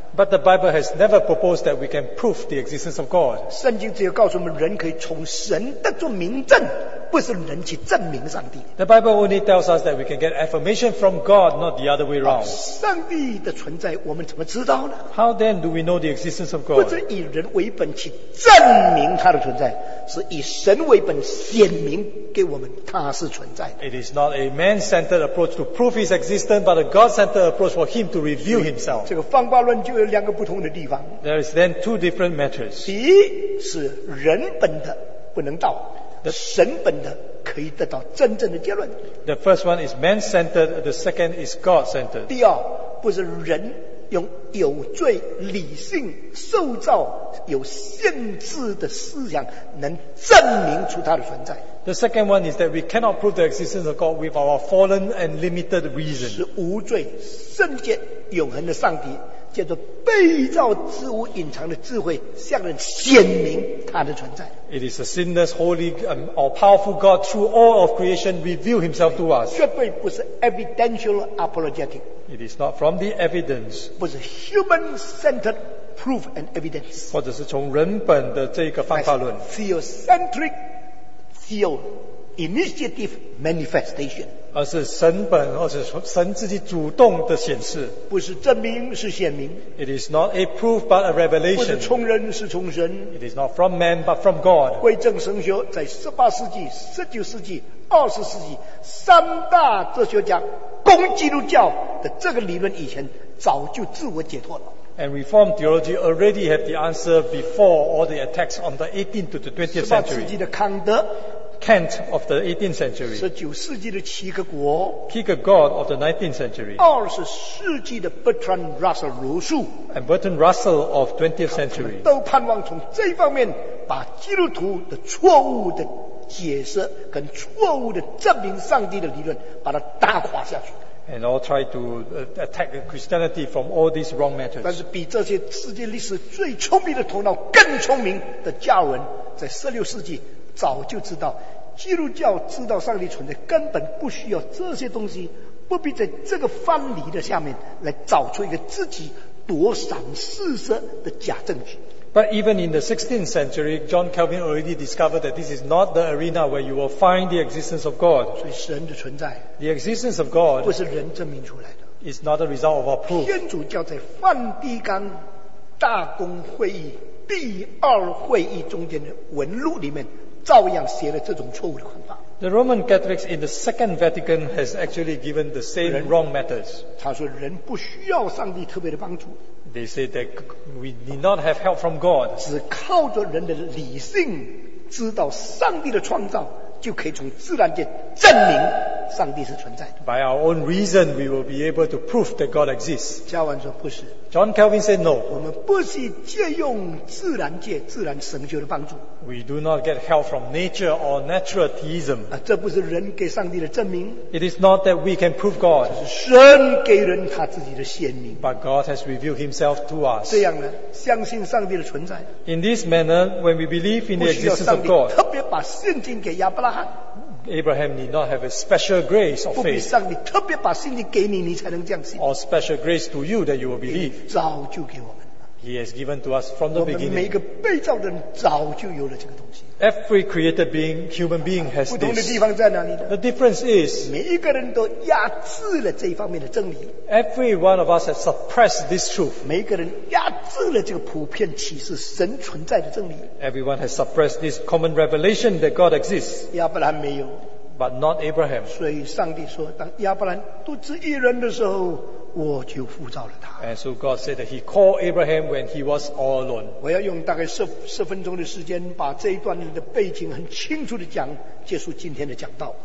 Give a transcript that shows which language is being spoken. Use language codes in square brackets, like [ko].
[en] But the Bible has never proposed that we can prove the existence of God. [zh] 圣经只有告诉我们人可以从神得着明证, 不是人去证明上帝。 [en] The Bible only tells us that we can get affirmation from God, not the other way around. [zh] 上帝的存在我们怎么知道呢？ [en] How then do we know the existence of God? [zh] 不是以人为本去证明他的存在，是以神为本显明给我们他是存在的。 [en] It is not a man-centered approach to prove his existence, but a God-centered approach for him to reveal himself. [zh] 这个方法论就有两个不同的地方。 [en] There is then two different matters. [zh] 第一是人本的不能到。神本的可以得到真正的结论。 [en] The first one is man-centered, the second is God-centered. [zh] 第二，不是人用有罪、理性、受造、有限制的思想能证明出他的存在。 [en] The second one is that we cannot prove the existence of God with our fallen and limited reason. [zh] 是无罪、圣洁、永恒的上帝叫做被造之物隐藏的智慧向人显明他的存在。 [en] It is a sinless, holy, or powerful God through all of creation reveal himself to us. [zh] 绝对不是 [en] evidential apologetic. It is not from the evidence. [zh] 不是 [en] human-centered proof and evidence. [zh] 或者是从人本的这个方法论。 [en] Theocentric theology. Initiative manifestation， [zh] 而是神本或者神自己主动的显示，不是证明，是显明。 [en] It is not a proof but a revelation， [zh] 不是从人，是从神。 [en] It is not from man but from God。 [zh] 归正神学在十八世纪、十九世纪、二十世纪三大哲学家攻基督教的这个理论以前，早就自我解脱了。 [en] And Reformed theology already had the answer before all the attacks on the 18th to the 20th century。 [zh] 十八世纪的康德。 [en] Kant of the 18th century. [zh] 19世纪的齐格国。 [en] Kierkegaard of the 19th century. [zh] 20世纪的 Bertrand Russell 卢素。 [en] And Bertrand Russell of 20th century. [zh] 他们都盼望从这方面把基督徒的错误的解释跟错误的证明上帝的理论把它打垮下去。 [en] And all try to attack Christianity from all these wrong matters. [zh] 但是比这些世界历史最聪明的头脑更聪明的加尔文在16世纪早就知道基督教知道上帝存在根本不需要这些东西，不必在这个藩篱的下面来找出一个自己躲闪四射的假证据。 [en] But even in the 16th century John Calvin already discovered that this is not the arena where you will find the existence of God. [zh] 所以神的存在 [en] The existence of God [zh] 不是人证明出来的 [en] is not a result of our proof. [zh] 天主教在梵蒂冈大公会议第二会议中间的文录里面照样写了这种错误的看法。 [en] The Roman Catholics in the Second Vatican has actually given the same wrong methods. [zh] 他说人不需要上帝特别的帮助。 [en] They say that we need not have help from God. [zh] 只靠着人的理性知道上帝的创造，就可以从自然界证明上帝是存在的。 [en] By our own reason, we will be able to prove that God exists. [zh] 加文说不是。 [en] John Calvin said no. [zh] 我们不是借用自然界自然神学的帮助。 [en] We do not get help from nature or natural theism. [zh] 这不是人给上帝的证明。 [en] It is not that we can prove God. [zh] 这是神给人他自己的显明。 [en] But God has revealed himself to us. [zh] 这样呢，相信上帝的存在。 [en] In this manner, when we believe in the existence of God, [zh] 特别把圣经给亚伯拉罕。 [en] Abraham need not have a special grace of faith. [zh] 不必上帝特别把圣经给你，你才能这样信。 [en] Or special grace to you that you will believe. [zh] 早就给我们了。 [en] He has given to us from the beginning. [zh] 我们每个被造的人早就有了这个东西。 [en] Every created being, human being has this. [zh] 不同的地方在哪里呢？ [en] The difference is, [zh] 每一个人都压制了这一方面的真理。 [en] Every one of us has suppressed this truth. [zh] 每一个人压制了这个普遍启示神存在的真理。 [en] Everyone has suppressed this common revelation that God exists. [zh] 亚伯兰没有。 [en] But not Abraham. [zh] 所以上帝说，当亚伯兰独自一人的时候，我就呼召了他。 [en] And so God said that He called Abraham when he was all alone. [zh] 我要用大概十分钟的时间，把这一段的背景很清楚的讲，结束今天的讲道。